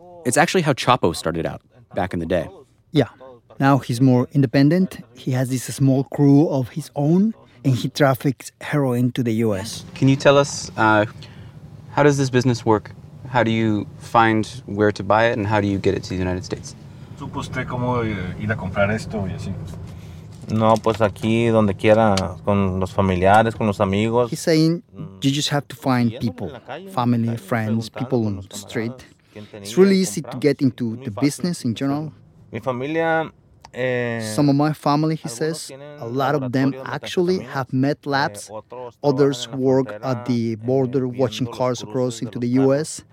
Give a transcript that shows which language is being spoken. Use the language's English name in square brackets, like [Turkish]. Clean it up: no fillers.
[English] It's actually how Chapo started out back in the day. Yeah. Now he's more independent. He has this small crew of his own, and he traffics heroin to the U.S. Can you tell us, how does this business work? How do you find where to buy it, and how do you get it to the United States? [Spanish] ¿Supo usted cómo ir a comprar esto y así? No, pues aquí, donde quiera, con los familiares, con los amigos. [English] He's saying you just have to find people, family, friends, people on the street. It's really easy to get into the business in general. Some of my family, he says, a lot of them actually have med labs. Others work at the border watching cars across into the U.S.